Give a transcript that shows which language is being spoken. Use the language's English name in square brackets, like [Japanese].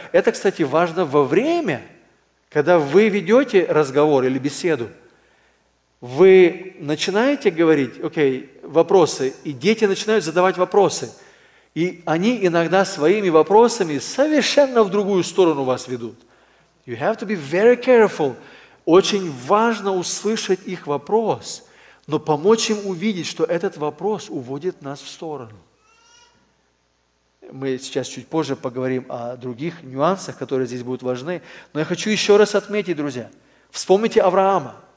[Russian] Это, кстати, важно во время, когда вы ведете разговор или беседу, вы начинаете говорить, окей, вопросы, и дети начинают задавать вопросы. И они иногда своими вопросами совершенно в другую сторону вас ведут. [English] You have to be very careful. [Russian] Очень важно услышать их вопрос, но помочь им увидеть, что этот вопрос уводит нас в сторону. Мы сейчас чуть позже поговорим о других нюансах, которые здесь будут важны. Но я хочу еще раз отметить, друзья. Вспомните Авраама.